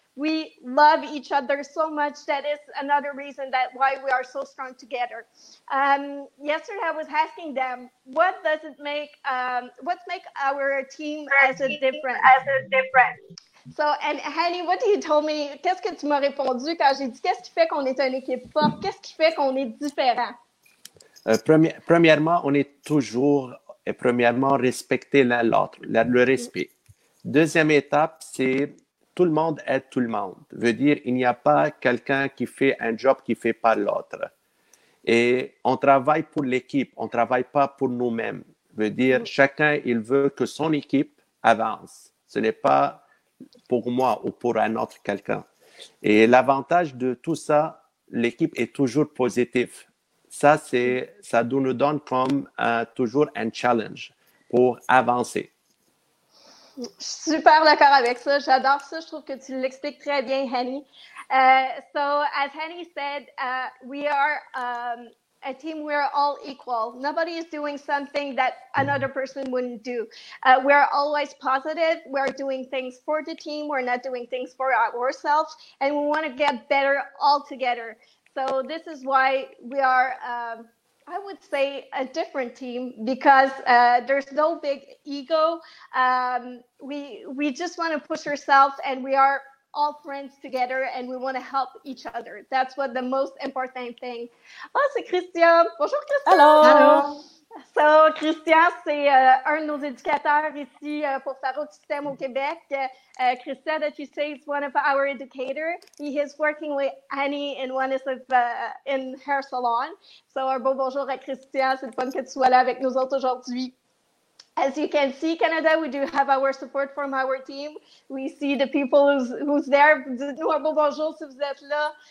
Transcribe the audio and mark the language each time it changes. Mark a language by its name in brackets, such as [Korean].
[English] We love each other so much. That is another reason that why we are so strong together. Yesterday, I was asking them, what make our team as a difference? So, and Hani, what do you tell me? [French] Qu'est-ce que tu m'as répondu quand j'ai dit qu'est-ce qui fait qu'on est une équipe forte? Qu'est-ce qui fait qu'on est différent? Premièrement, on est toujours, et premièrement, respecter l'un l'autre, le respect. Deuxième étape, c'est tout le monde aide tout le monde. Ça veut dire qu'il n'y a pas quelqu'un qui fait un job qui ne fait pas l'autre. Et on travaille pour l'équipe, on ne travaille pas pour nous-mêmes. Ça veut dire chacun, il veut que son équipe avance. Ce n'est pas pour moi ou pour un autre quelqu'un. Et l'avantage de tout ça, l'équipe est toujours positive. Ça, c'est, ça nous donne comme toujours un challenge pour avancer. Super d'accord avec ça. J'adore ça. Je trouve que tu l'expliques très bien, Hani. [English] So, as Hani said, we are a team, we're all equal. Nobody is doing something that another person wouldn't do. We're always positive. We're doing things for the team. We're not doing things for ourselves. And we want to get better all together. So this is why we are, I would say, a different team, because there's no big ego. We just want to push ourselves, and we are all friends together, and we want to help each other. That's what the most important thing. [French] Oh, c'est Christian. Bonjour, Christian. [English] Hello. Hello. [French] So, Christian, c'est un de nos éducateurs ici pour Pharaoh Système au Québec. [English] Christian, that you say, is one of our educators. He is working with Annie in one of in her salon. [French] So, un beau bonjour à Christian. C'est le fun que tu sois là avec nous autres aujourd'hui. [English] As you can see, Canada, we do have our support from our team. We see the people who's there. [French] Dites-nous un beau bonjour si vous êtes là.